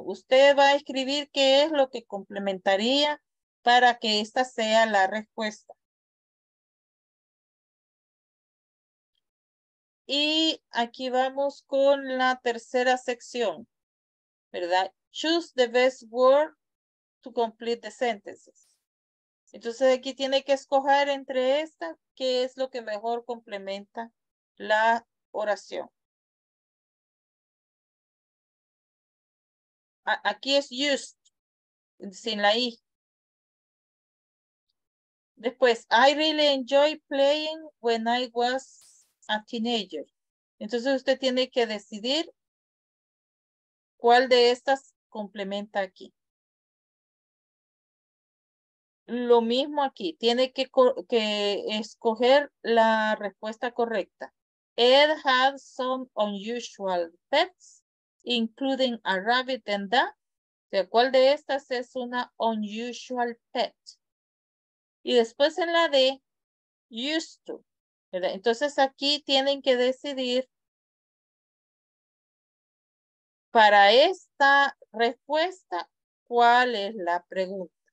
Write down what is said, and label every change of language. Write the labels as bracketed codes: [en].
[es] Usted va a escribir qué es lo que complementaría para que esta sea la respuesta. Y aquí vamos con la tercera sección, ¿verdad? [en] Choose the best word to complete the sentences. [es] Entonces aquí tiene que escoger entre esta, qué es lo que mejor complementa la oración. Aquí es used, sin la I. [en] Después, I really enjoy playing when I was a teenager. [es] Entonces usted tiene que decidir cuál de estas complementa aquí. Lo mismo aquí, tiene que escoger la respuesta correcta. [en] Ed had some unusual pets, including a rabbit and that. [es] O sea, ¿cuál de estas es una [en] unusual pet? [es] Y después en la D, used to. ¿Verdad? Entonces aquí tienen que decidir para esta respuesta cuál es la pregunta.